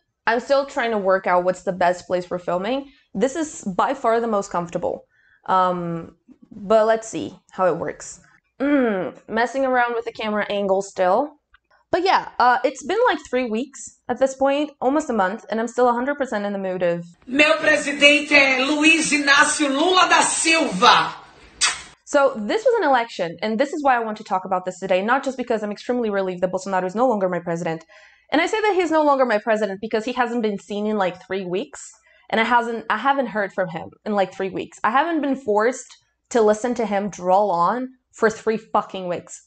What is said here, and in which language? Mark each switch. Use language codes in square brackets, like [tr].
[en] I'm still trying to work out what's the best place for filming. This is by far the most comfortable. But let's see how it works. Messing around with the camera angle still. But yeah, it's been like 3 weeks at this point, almost a month, and I'm still 100% in the mood of. [pt] Meu presidente é Luiz Inácio Lula da Silva. [en] So this was an election, and this is why I want to talk about this today, not just because I'm extremely relieved that Bolsonaro is no longer my president. And I say that he's no longer my president because he hasn't been seen in like 3 weeks, and I haven't heard from him in like 3 weeks. I haven't been forced to listen to him drawl on for 3 fucking weeks.